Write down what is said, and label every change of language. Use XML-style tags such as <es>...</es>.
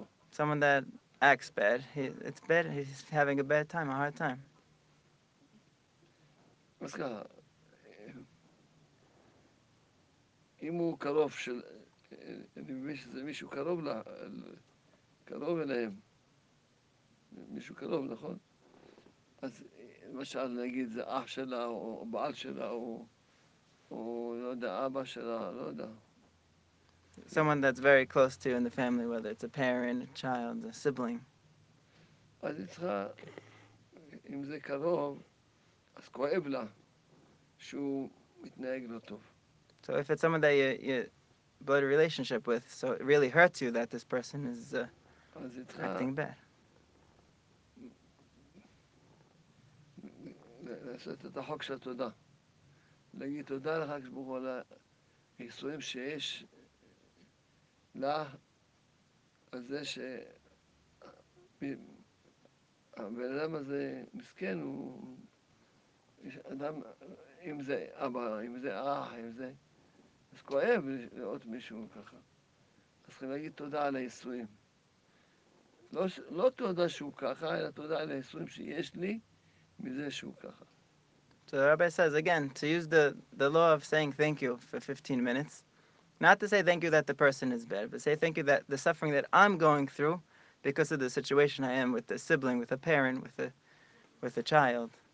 <en>Someone that acts bad, it's bad, he's having a bad time, a hard time.</en> <he>קרוב אליהם, מישהו קרוב, נכון? אז למשל, נגיד, זה אח שלה, או בעל שלה, או לא יודע, אבא שלה, לא יודע.</he> <en>Someone that's very close to you in the family, whether it's a parent, a child, a sibling.</en> <he>אז היא צריכה, אם זה קרוב, אז כואב לה שהוא מתנהג לא טוב.</he> <en>So if it's someone that you blood relationship with, so it really hurts you that this person is... acting bad.</en> <he>לעשות את החוק של התודה. להגיד תודה לך כשברוך על היסורים שיש לה, על זה שהבן אדם הזה מסכן, הוא אדם, אם זה אבא, אם זה אח, אם זה... אז כואב לראות מישהו ככה. אז צריכים להגיד תודה על היסורים. לא תודה שהוא ככה, אלא תודה על היסורים שיש לי מזה שהוא ככה.</he> <en>So the rabbi says again, to use the law of saying thank you for 15 minutes, Not to say thank you that the person is bad, but say thank you that the suffering that I'm going through because of the situation I am with a sibling, with a parent, with a child.</en>